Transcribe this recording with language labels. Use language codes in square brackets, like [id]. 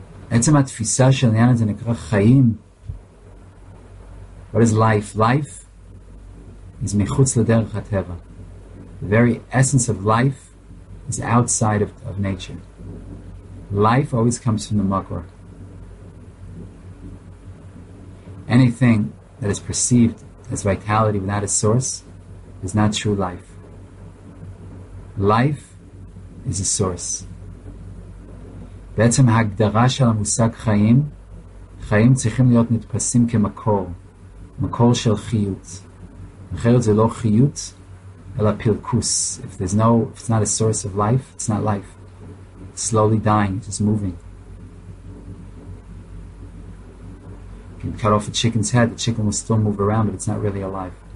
[he] עצם התפיסה של העניין הזה נקרא חיים. [en] What is life? Life is [he] מחוץ לדרך הטבע. [en] The very essence of life is outside of nature. Life always comes from the makor. Anything that is perceived as vitality without a source is not true life. Life is a source. [he] בעצם ההגדרה של המושג חיים, חיים צריכים להיות נתפסים כמקור, מקור של חיות. אחרת זה לא חיות, אלא פלקוס. [en] If there's no, if it's not a source of life, it's not life. It's slowly dying, it's just moving. You can cut off a chicken's head, the chicken will still move around, but it's not really alive.